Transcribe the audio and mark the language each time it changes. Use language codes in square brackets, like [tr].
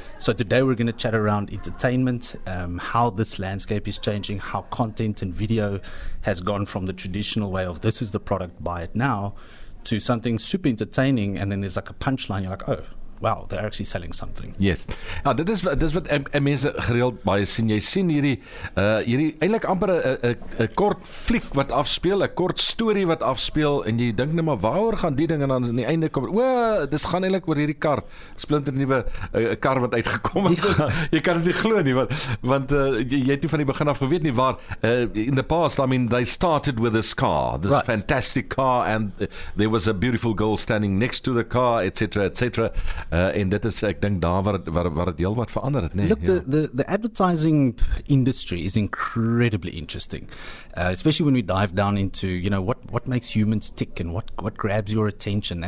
[en] So today we're going to chat around entertainment, how this landscape is changing, how content and video has gone from the traditional way of this is the product, buy it now, to something super entertaining, and then there's like a punchline, you're like, oh, wow, they're actually selling something. [af] Yes. Nou, dit is wat mense gereeld baie sien. Jy sien hierdie eintlik amper 'n kort fliek wat afspeel, 'n kort story wat afspeel, en jy dink net maar waaroor gaan die ding, en dan aan die einde kom, dis gaan eintlik oor hierdie kar, splinter nuwe kar wat uitgekom het. Jy kan dit nie glo nie, want jy het nie van die begin af geweet nie waar. [en] In the past, I mean, they started with this car, fantastic car, and there was a beautiful girl standing next to the car, et cetera, et cetera. [af] En dit is, ek dink, daar waar het heel wat verander het, nee. [en] Look, the advertising industry is incredibly interesting, especially when we dive down into, you know, what makes humans tick and what grabs your attention.